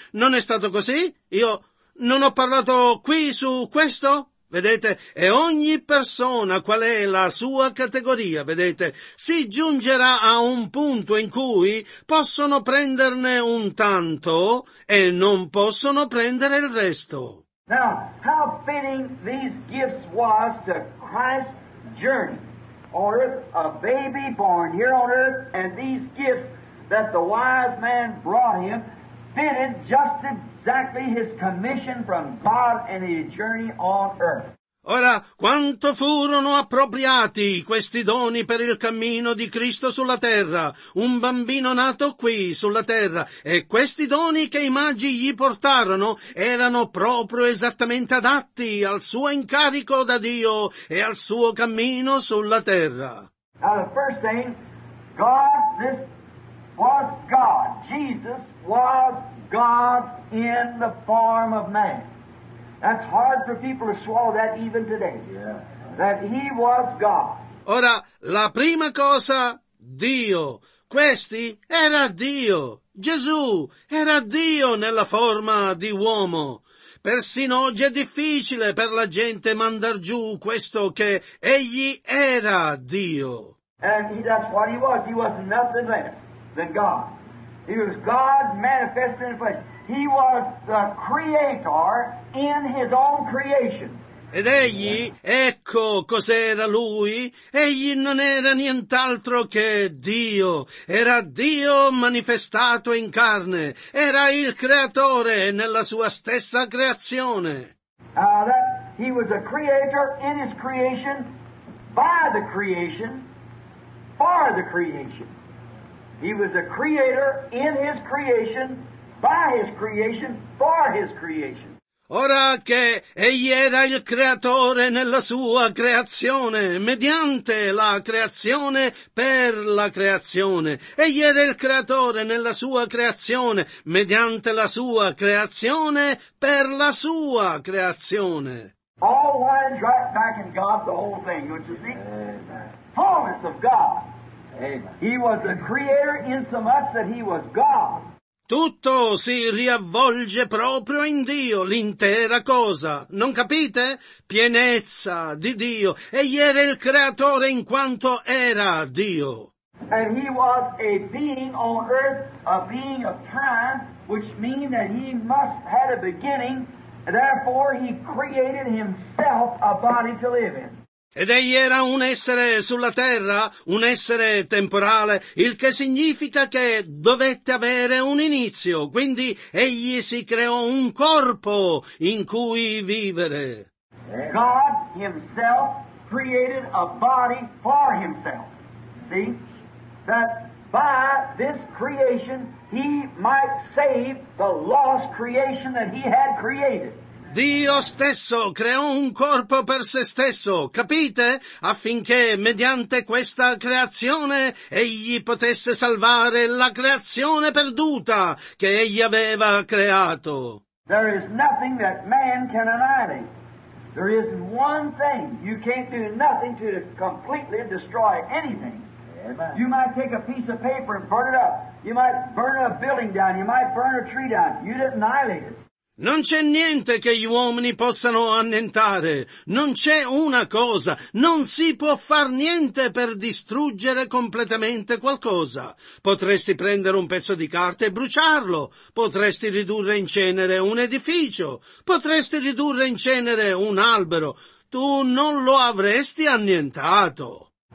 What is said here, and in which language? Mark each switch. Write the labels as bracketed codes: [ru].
[it] Non è stato così? Io non ho parlato qui su questo? Vedete, e ogni persona, qual è la sua categoria, vedete, si giungerà a un punto in cui possono prenderne un tanto e non possono prendere il resto. [en] Now, how fitting these gifts was to Christ's journey on earth, a baby born here on earth, and these gifts that the wise man brought him fitted just exactly his commission from God and his journey on earth. [it] Ora, quanto furono appropriati questi doni per il cammino di Cristo sulla terra, un bambino nato qui sulla terra, e questi doni che i magi gli portarono erano proprio esattamente adatti al suo incarico da Dio e al suo cammino sulla terra. [en] Now the first thing, God, this was God, Jesus was God in the form of man. That's hard for people to swallow that even today. Yeah. That he was God. [it] Ora, la prima cosa, Dio. Questi era Dio. Gesù era Dio nella forma di uomo. Persino oggi è difficile per la gente mandar giù questo che egli era Dio. [en] And that's what he was. He was nothing less than God. He was God manifested in flesh. He was the creator in his own creation. [it] Ed egli, ecco cos'era lui, egli non era nient'altro che Dio, era Dio manifestato in carne, era il creatore nella sua stessa creazione. [en] He was a creator in his creation, by the creation, for the creation. He was a creator in his creation, by his creation, for his creation. [it] Ora che egli era il creatore nella sua creazione, mediante la creazione, per la creazione. Egli era il creatore nella sua creazione, mediante la sua creazione, per la sua creazione. [en] All winds right back in God, the whole thing, don't you see? Amen. Fullness of God. Amen. He was the creator in so much that he was God. [it] Tutto si riavvolge proprio in Dio, l'intera cosa. Non capite? Pienezza di Dio. Egli era il creatore in quanto era Dio. [en] And he was a being on earth, a being of time, which means that he must have had a beginning, and therefore he created himself a body to live in. [it] Ed egli era un essere sulla terra, un essere temporale, il che significa che dovette avere un inizio, quindi egli si creò un corpo in cui vivere. [en] God himself created a body for himself. See? That by this creation he might save the lost creation that he had created. [it] Dio stesso creò un corpo per se stesso, capite? Affinché mediante questa creazione egli potesse salvare la creazione perduta che egli aveva creato. [en] There is nothing that man can annihilate. There is one thing. You can't do nothing to completely destroy anything. Amen. You might take a piece of paper and burn it up. You might burn a building down. You might burn a tree down. You didn't annihilate it. [it] Non c'è niente che gli uomini possano annientare, non c'è una cosa, non si può far niente per distruggere completamente qualcosa. Potresti prendere un pezzo di carta e bruciarlo, potresti ridurre in cenere un edificio, potresti ridurre in cenere un albero, tu non lo avresti annientato.